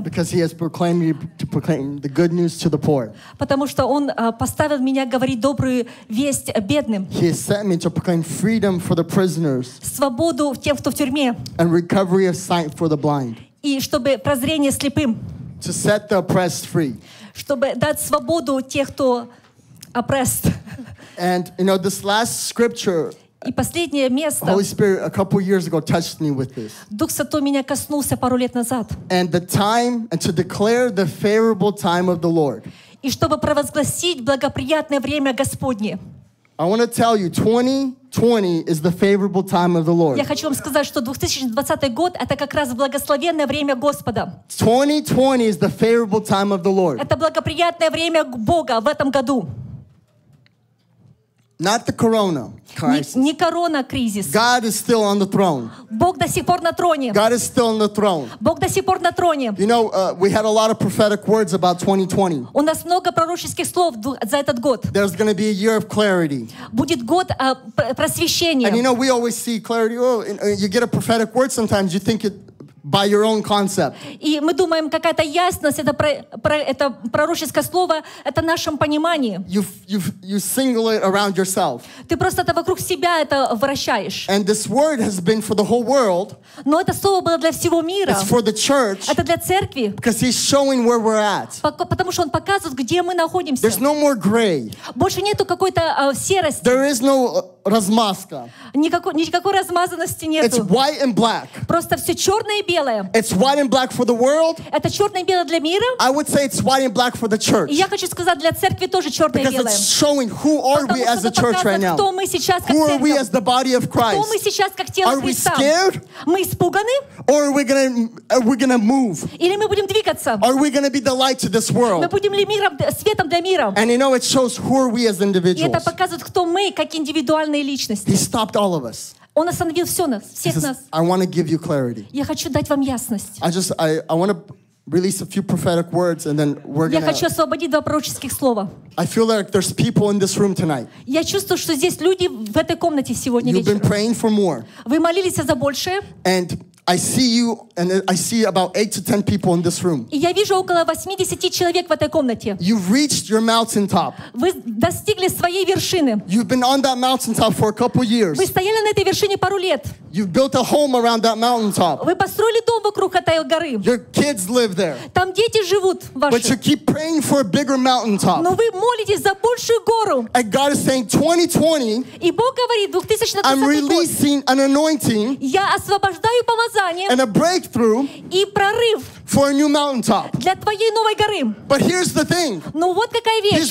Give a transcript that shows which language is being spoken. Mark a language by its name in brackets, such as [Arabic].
[English] Because he has proclaimed me to proclaim the good news to the poor. [Russian] Потому что он поставил меня говорить добрую весть бедным. [English] He has sent me to proclaim freedom for the prisoners. [Russian] Свободу тем, кто в тюрьме. [English] And recovery of sight for the blind. [Russian] И чтобы прозрение слепым. [English] To set the oppressed free. [Russian] Чтобы дать свободу тех, кто [English] oppressed. And you know this last scripture. [Russian] И последнее место. [English] Holy Spirit a couple years ago touched me with this. [Russian] Дух Святой меня коснулся пару лет назад. [English] And the time and to declare the favorable time of the Lord. [Russian] И чтобы провозгласить благоприятное время Господне. [English] I want to tell you 2020 is the favorable time of the Lord. [Russian] Я хочу вам сказать, что 2020 год это как раз благословенное время Господа. [English] 2020 is the favorable time of the Lord. [Russian] Это благоприятное время Бога в этом году. [English] Not the corona crisis. [Russian] Не корона кризис. [English] God is still on the throne. [Russian] Бог до сих пор на троне. [English] God is still on the throne. [Russian] Бог до сих пор на троне. [English] You know, we had a lot of prophetic words about 2020. [Russian] У нас много пророческих слов за этот год. [English] There's going to be a year of clarity. [Russian] Будет год просвещения. [English] And you know, we always see clarity. Oh, you get a prophetic word sometimes, you think it by your own concept. [Russian] И мы думаем, какая-то ясность, это это пророческое слово, это в нашем понимании. [English] You single it around yourself. [Russian] Ты просто это вокруг себя это вращаешь. [English] And this word has been for the whole world. [Russian] Но это слово было для всего мира. [English] It's for the church. [Russian] Это для церкви. [English] Because he's showing where we're at. [Russian] Потому что он показывает, где мы находимся. [English] There's no more gray. [Russian] Больше нету какой-то серости. [English] There is no [Russian] размазка. Никакой размазанности нету. [English] It's white and black. [Russian] Просто все черное и белое. [English] It's white and black for the world. [Russian] Это черное и белое для мира. [English] I would say it's white and black for the church. [Russian] И я хочу сказать, для церкви тоже черное и белое. [English] Because it's showing who are we as a church right now. [Russian] Кто мы сейчас как церковь? [English] Who are we as the body of Christ? [Russian] Кто мы сейчас как тело Христа? [English] Are we scared? [Russian] Мы испуганы? [English] Or are we gonna move? [Russian] Или мы будем двигаться? [English] Are we gonna be the light to this world? [Russian] Мы будем ли миром, светом для мира? [English] And you know it shows who are we as individuals. [Russian] И это показывает, кто мы как индивидуальные. [English] He stopped all of us. [Russian] Он остановил все нас, всех нас. [English] I want to give you clarity. [Russian] Я хочу дать вам ясность. [English] I want to release a few prophetic words and then we're gonna. [Russian] Я хочу освободить два пророческих слова. [English] I feel like there's people in this room tonight. [Russian] Я чувствую, что здесь люди в этой комнате сегодня вечером. [English] You've been praying for more. [Russian] Вы молились за большее. [English] And I see you and I see about 8 to 10 people in this room. [Russian] Я вижу около 80 человек в этой комнате. [English] You've reached your mountaintop. [Russian] Вы достигли своей вершины. [English] You've been on that mountaintop for a couple years. [Russian] Вы стояли на этой вершине пару лет. [English] You've built a home around that mountaintop. [Russian] Вы построили дом вокруг этой горы. [English] Your kids live there. [Russian] Там дети живут ваши. [English] But you keep praying for a bigger mountaintop. [Russian] Но вы молитесь за большую гору. [English] And God is saying 2020. [Russian] И Бог говорит 2020. [English] I'm releasing an anointing. [Russian] Я освобождаю помазание. [English] And a breakthrough [Russian] и прорыв [English] for a new mountaintop. [Russian] Для твоей новой горы. [English] But here's the thing. [Russian] Но вот какая вещь.